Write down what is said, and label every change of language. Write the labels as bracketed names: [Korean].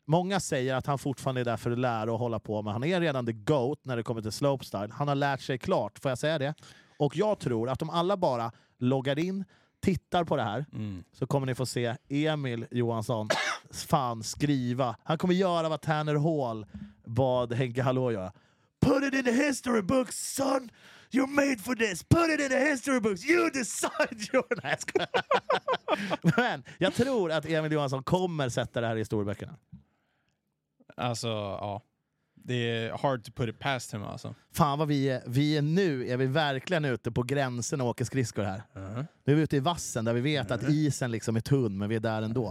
[Swedish] Många säger att han fortfarande är där för att lära och hålla på, men han är redan [English] the goat [Swedish] när det kommer till slopestyle. Han har lärt sig klart, får jag säga det. Och jag tror att om alla bara loggar in, tittar på det här, så kommer ni få se Emil Johansson fan skriva. Han kommer göra vad Tanner Hall bad Henke Hallå göra. [English] Put it in the history books, son! You're made for this. Put it in the history books. You decide your ass. [Swedish] Men jag tror att Emil Johansson kommer sätta det här i storböckerna. Alltså, ja. Det är [English] hard to put it past him, [Swedish] alltså. Fan vad vi är nu. Är vi verkligen ute på gränsen och åker skridskor här? Uh-huh. Nu är vi ute i vassen där vi vet att isen liksom är tunn, men vi är där ändå.